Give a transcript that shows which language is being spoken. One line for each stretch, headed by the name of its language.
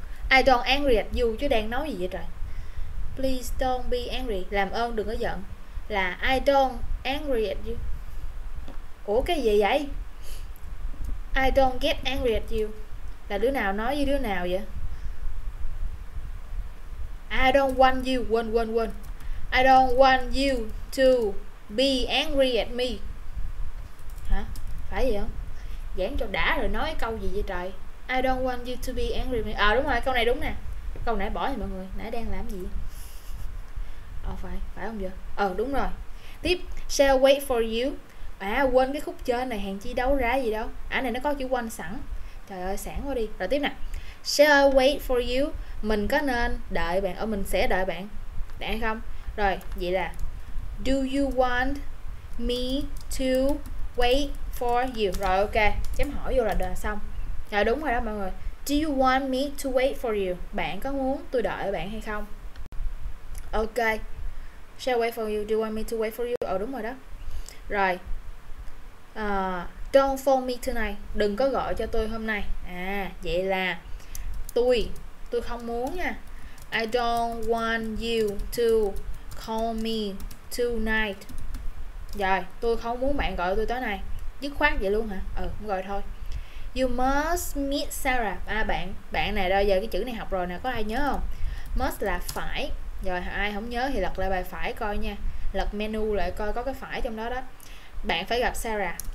English: I don't angry at you.
Vietnamese: Chứ đang nói gì vậy trời.
English: Please don't be angry.
Vietnamese: Làm ơn đừng có giận. Là
English: I don't angry at you.
Vietnamese: Ủa cái gì vậy?
English: I don't get angry at you.
Vietnamese: Là đứa nào nói với đứa nào vậy?
English: I don't want you. Quên. I don't want you to be angry at me.
Vietnamese: Hả? Phải vậy không? Giảng cho đã rồi nói câu gì vậy trời?
English: I don't want you to be angry at me.
Vietnamese: À đúng rồi, câu này đúng nè. Câu nãy bỏ rồi mọi người. Nãy đang làm gì? Ờ phải không vậy? Ờ đúng rồi.
English: Tiếp, shall wait for you.
Vietnamese: À quên cái khúc trên này, hàng chi đấu ra gì đâu. À này nó có chữ one sẵn. Trời ơi sẵn quá đi. Rồi tiếp nè.
English: Shall I wait for you.
Vietnamese: Mình có nên đợi bạn. Ờ mình sẽ đợi bạn. Đã không. Rồi vậy là
English: do you want me to wait for you.
Vietnamese: Rồi ok. Chấm hỏi vô là đợi xong. Rồi đúng rồi đó mọi người.
English: Do you want me to wait for you.
Vietnamese: Bạn có muốn tôi đợi bạn hay không.
English: Ok. Shall I wait for you. Do you want me to wait for you.
Vietnamese: Ờ đúng rồi đó. Rồi
English: don't phone me tonight.
Vietnamese: Đừng có gọi cho tôi hôm nay. À vậy là tôi không muốn nha.
English: I don't want you to call me tonight.
Vietnamese: Rồi tôi không muốn bạn gọi tôi tối nay. Dứt khoát vậy luôn hả? Ừ không gọi thôi.
English: You must meet Sarah.
Vietnamese: À bạn này đâu giờ cái chữ này học rồi nè. Có ai nhớ không? Must là phải. Rồi ai không nhớ thì lật lại bài phải coi nha. Lật menu lại coi có cái phải trong đó đó. Bạn phải gặp Sarah.